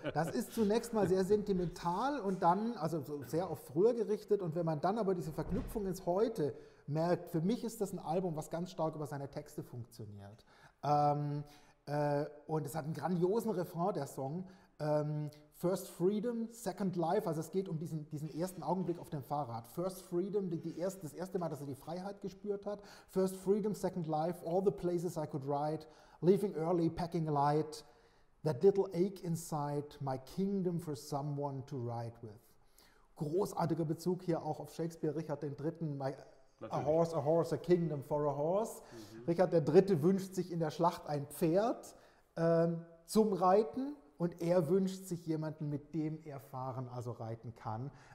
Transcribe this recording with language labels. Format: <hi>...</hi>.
<de>Das ist zunächst mal sehr sentimental und dann, also so sehr auf früher gerichtet, und wenn man dann aber diese Verknüpfung ins Heute merkt, für mich ist das ein Album, was ganz stark über seine Texte funktioniert. Und es hat einen grandiosen Refrain, der Song, First Freedom, Second Life, also es geht um diesen ersten Augenblick auf dem Fahrrad. First Freedom, das erste Mal, dass er die Freiheit gespürt hat.</de> <en>First Freedom, Second Life, all the places I could ride, leaving early, packing light, that little ache inside, my kingdom for someone to ride with.</en> <de>Großartiger Bezug hier auch auf Shakespeare, Richard III.,</de> <en>a horse, a kingdom for a horse.</en> <de>Mhm. Richard III. Wünscht sich in der Schlacht ein Pferd zum Reiten. Und er wünscht sich jemanden, mit dem er fahren, also reiten kann.</de>